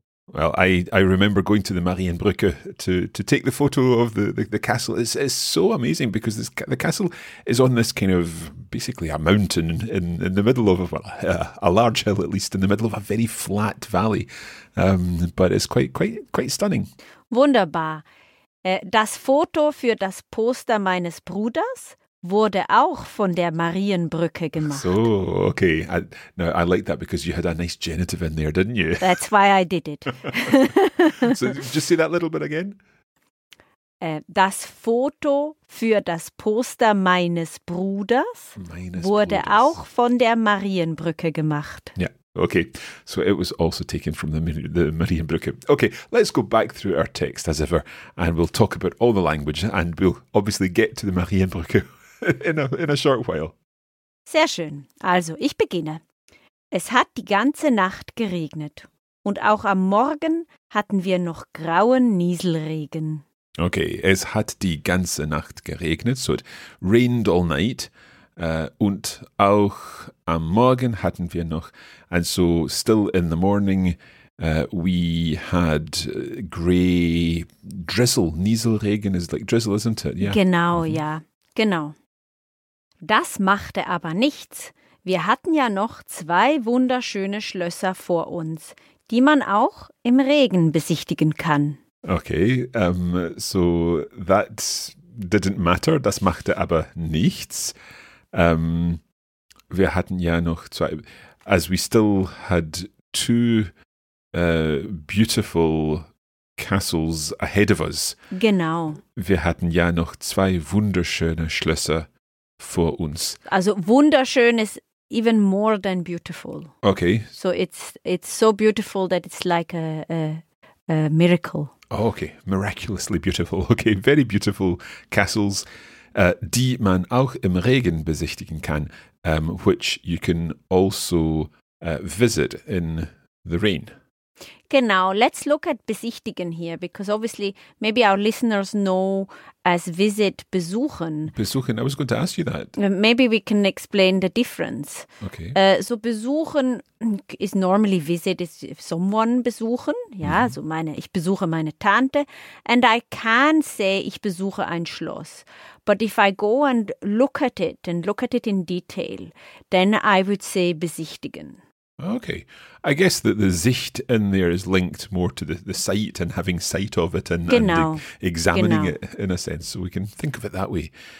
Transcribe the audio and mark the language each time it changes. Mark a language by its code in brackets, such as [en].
[en] Well, I remember going to the Marienbrücke to take the photo of the castle. It's so amazing because the castle is on this kind of basically a mountain in the middle of a large hill, at least in the middle of a very flat valley. But it's quite stunning. [de] Wunderbar. Das Foto für das Poster meines Bruders wurde auch von der Marienbrücke gemacht. [en] So, okay. I like that because you had a nice genitive in there, didn't you? That's why I did it. So, just say that little bit again. [de] Das Foto für das Poster meines Bruders wurde auch von der Marienbrücke gemacht. [en] Yeah, okay. So it was also taken from the Marienbrücke. Okay, let's go back through our text as ever and we'll talk about all the language and we'll obviously get to the Marienbrücke. In a short while. [de] Sehr schön. Also, ich beginne. Es hat die ganze Nacht geregnet. Und auch am Morgen hatten wir noch grauen Nieselregen. Okay, es hat die ganze Nacht geregnet, [en] so it rained all night. [de] Und auch am Morgen hatten wir noch, [en] also still in the morning, we had grey drizzle, Nieselregen is like drizzle, isn't it? [de] Yeah. Genau, mm-hmm. Ja, genau. Das machte aber nichts. Wir hatten ja noch zwei wunderschöne Schlösser vor uns, die man auch im Regen besichtigen kann. [en] Okay, so that didn't matter, [de] das machte aber nichts. Wir hatten ja noch zwei, [en] as we still had two beautiful castles ahead of us. [de] Genau. Wir hatten ja noch zwei wunderschöne Schlösser vor uns. Also wunderschön ist [en] even more than beautiful. Okay. So it's so beautiful that it's like a miracle. Oh, okay, miraculously beautiful. Okay, very beautiful castles, [de] die man auch im Regen besichtigen kann, [en] which you can also visit in the rain. Genau, let's look at besichtigen here, because obviously maybe our listeners know as visit, besuchen. Besuchen, I was going to ask you that. Maybe we can explain the difference. Okay. So besuchen is normally visit, is someone besuchen. Ja, mm-hmm. [de] So meine, ich besuche meine Tante. [en] And I can say, [de] ich besuche ein Schloss. [en] But if I go and look at it in detail, then I would say besichtigen. Okay, I guess that the Sicht in there is linked more to the sight and having sight of it and, [de] genau. [en] And examining genau. It in a sense. So we can think of it that way.